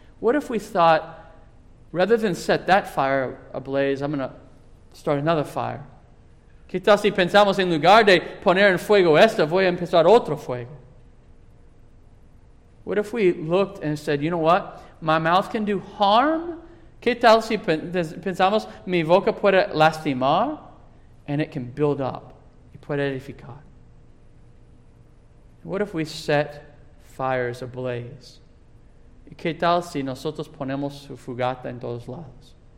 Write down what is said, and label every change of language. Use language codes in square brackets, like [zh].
[en] What if we thought, rather than set that fire ablaze, I'm going to start another fire. [es] ¿Qué tal si pensamos en lugar de poner en fuego esta, voy a empezar otro fuego? [en] What if we looked and said, you know what? My mouth can do harm. [es] ¿Qué tal si pensamos mi boca puede lastimar? [en] And it can build up. [es] Y puede edificar. [en] What if we set fires ablaze? [es] ¿Qué tal si nosotros ponemos su fogata en todos lados?